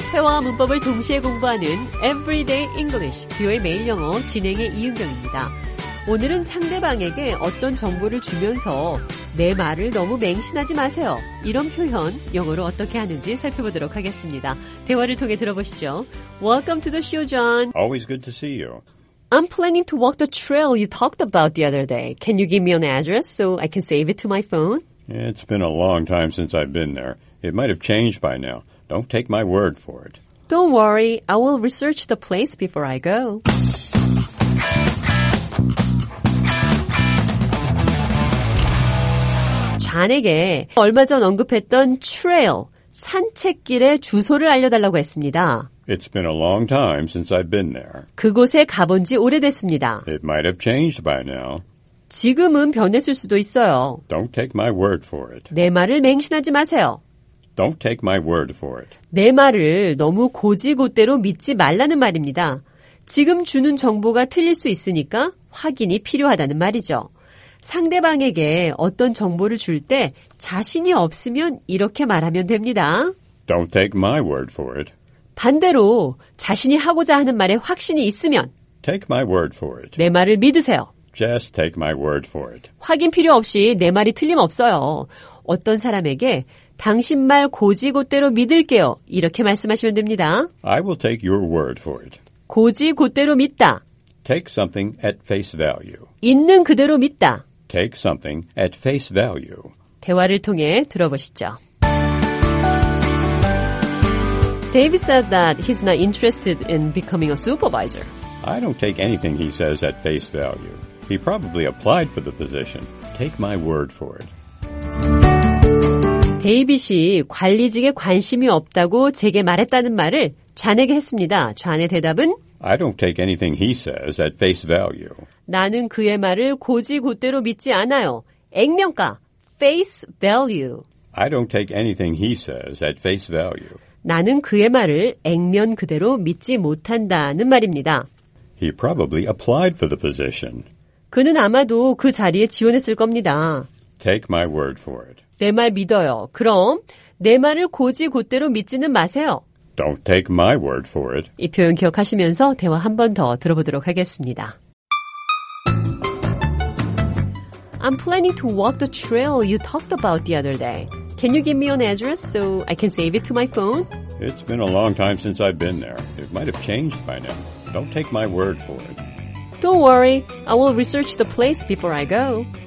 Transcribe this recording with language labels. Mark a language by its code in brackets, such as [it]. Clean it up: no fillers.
[ko] 회화와 문법을 동시에 공부하는 Everyday English, 귀요의 매일 영어 진행의 이은경입니다. 오늘은 상대방에게 어떤 정보를 주면서 내 말을 너무 맹신하지 마세요. 이런 표현 영어로 어떻게 하는지 살펴보도록 하겠습니다. 대화를 통해 들어보시죠. [en] Welcome to the show, John. Always good to see you. I'm planning to walk the trail you talked about the other day. Can you give me an address so I can save it to my phone? It's been a long time since I've been there. It might have changed by now. Don't take my word for it. Don't worry. I will research the place before I go. [ko] John에게 얼마 전 언급했던 trail, 산책길의 주소를 알려달라고 했습니다. [en] It's been a long time since I've been there. [ko] 그곳에 가본 지 오래됐습니다. [en] It might have changed by now. [ko] 지금은 변했을 수도 있어요. [en] Don't take my word for it. [ko] 내 말을 맹신하지 마세요. [en] Don't take my word for it. [ko] 내 말을 너무 고지고대로 믿지 말라는 말입니다. 지금 주는 정보가 틀릴 수 있으니까 확인이 필요하다는 말이죠. 상대방에게 어떤 정보를 줄 때 자신이 없으면 이렇게 말하면 됩니다. [en] Don't take my word for it. [ko] 반대로 자신이 하고자 하는 말에 확신이 있으면 [en] Take my word for it. [ko] 내 말을 믿으세요. [en] Just take my word for it. [ko] 확인 필요 없이 내 말이 틀림없어요. 어떤 사람에게 당신 말 고지고대로 믿을게요. 이렇게 말씀하시면 됩니다. [en] I will take your word for it. [ko] 고지고대로 믿다. [en] Take something at face value. [ko] 있는 그대로 믿다. [en] Take something at face value. [ko] 대화를 통해 들어보시죠. [en] David said that he's not interested in becoming a supervisor. I don't take anything he says at face value. He probably applied for the position. Take my word for it. [ko] 데이빗이 관리직에 관심이 없다고 제게 말했다는 말을 존에게 했습니다. 존의 대답은 [en] I don't take anything he says at face value. [ko] 나는 그의 말을 고지고대로 믿지 않아요. [en] 액면가, face value. I don't take anything he says at face value. [ko] 나는 그의 말을 액면 그대로 믿지 못한다는 말입니다. [en] He probably applied for the position. [ko] 그는 아마도 그 자리에 지원했을 겁니다. [en] Take my word for it. [ko] 내 말 믿어요. 그럼 내 말을 고지고대로 믿지는 마세요. [en] Don't take my word for it. [ko] 이 표현 기억하시면서 대화 한 번 더 들어보도록 하겠습니다. [en] I'm planning to walk the trail you talked about the other day. Can you give me an address so I can save it to my phone? It's been a long time since I've been there. It might have changed by now. Don't take my word for it. Don't worry. I will research the place before I go.